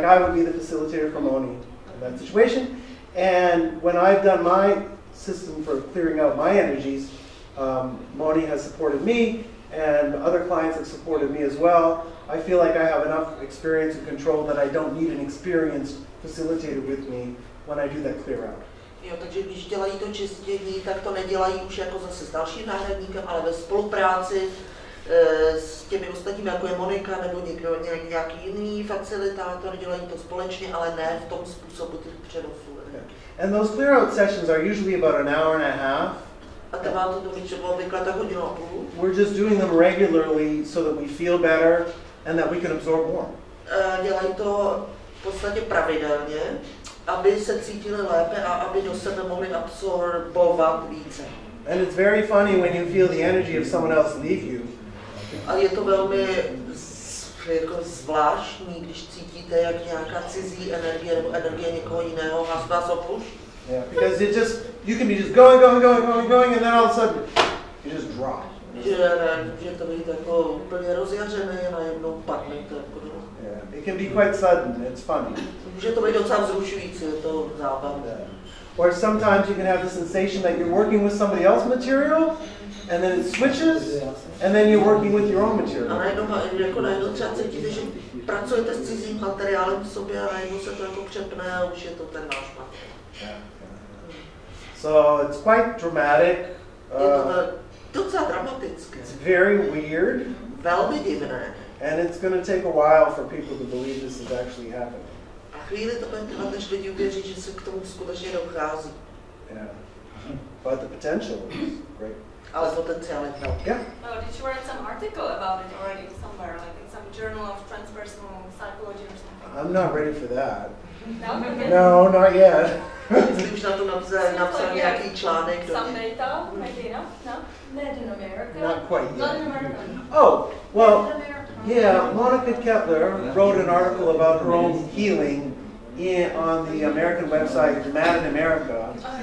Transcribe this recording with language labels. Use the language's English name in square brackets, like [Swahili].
[English] Like I would be the facilitator for Moni in that situation. And when I've done my system for clearing out my energies, Moni has supported me. And other clients have supported me as well. I feel like I have enough experience and control that I don't need an experienced facilitator with me when I do that clear out. [Czech] Jo, takže když dělají to čistění, tak to nedělají už jako zase s dalším náhradníkem, ale ve spolupráci s těmi ostatními, jako je Monika nebo někdo nějaký jiný facilitátor, dělají to společně, ale ne v tom způsobu těch přenosů. [English] Okay. And those clear out sessions are usually about an hour and a half. [Czech] A to má to obvykle tak hodinu a půl. [English] We're just doing them regularly so that we feel better and that we can absorb more. [Czech] Dělají to v podstatě pravidelně, aby se cítili lépe a aby do sebe mohli absorbovat více. [English] And it's very funny when you feel the energy of someone else leave you. [Czech] A je to velmi jako zvláštní, když cítíte, jak nějaká cizí energie nebo energie někoho jiného vás opouští. [English] Yeah, because it just, you can be just going, and then all of a sudden, you just drop. Yeah, it can be quite sudden, it's funny. Mm-hmm. [Czech] Může to být docela vzrušující, je to zábavné. [English] Yeah. Or sometimes you can have the sensation that you're working with somebody else's material, and then it switches, and then you're working with your own material. [Czech] A najednou třeba cítíte, že pracujete s cizím materiálem v sobě a najednou se to jako přepne a už je to ten váš [English] material. So it's quite dramatic. [Czech] Je to docela dramatické. [English] It's very weird. [Czech] Velmi divné. [English] And it's going to take a while for people to believe this is actually happening. [Czech] A chvíli to bude trvat, než lidi uvěří, že se k tomu skutečně dochází. [English] Yeah. But the potential is great. [Czech] Ale potenciál je velký. [English] Yeah. Oh, did you write some article about it already somewhere, like in some journal of transpersonal psychology or something? I'm not ready for that. No, no, not yet. [Czech] Myslím, že na to napsal nějaký článek. [English] Some data, maybe, no? Not in America. Not quite yet. Not in America. Oh, well, yeah, Monica Kepler wrote an article about her own healing in, on the American website Mad in America.